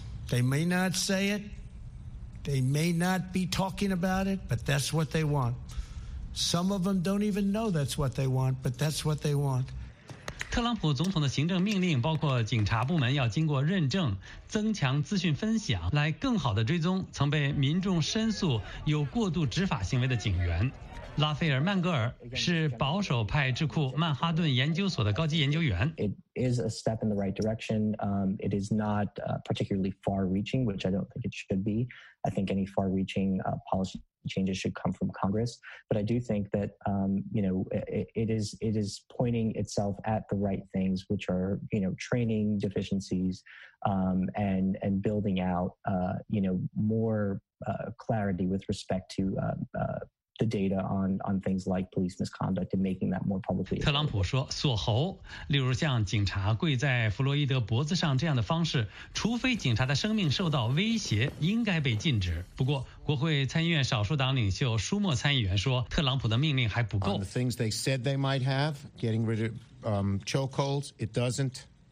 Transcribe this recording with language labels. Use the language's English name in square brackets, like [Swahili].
[English] They may not say itThey may not be talking about it, but that's what they want. Some of them don't even know that's what they want, but that's what they want. [Chinese] 特朗普总统的行政命令包括警察部门要经过认证，增强资讯分享，来更好地追踪曾被民众申诉有过度执法行为的警员。拉斐尔·曼戈尔是保守派智库曼哈顿研究所的高级研究员。 [English] It is a step in the right direction. It is not particularly far-reaching, which I don't think it should be. I think any far-reaching policy changes should come from Congress. But I do think that it is pointing itself at the right things, which are training deficiencies and building out more clarity with respect to the data on things like police misconduct and making that more publicly. [Chinese] 特朗普说，锁喉，例如像警察跪在弗洛伊德脖子上这样的方式，除非警察的生命受到威胁，应该被禁止。不过，国会参议院少数党领袖舒默参议员说，特朗普的命令还不够。 [English] On the things they said they might have, getting rid of chokeholds, it doesn't.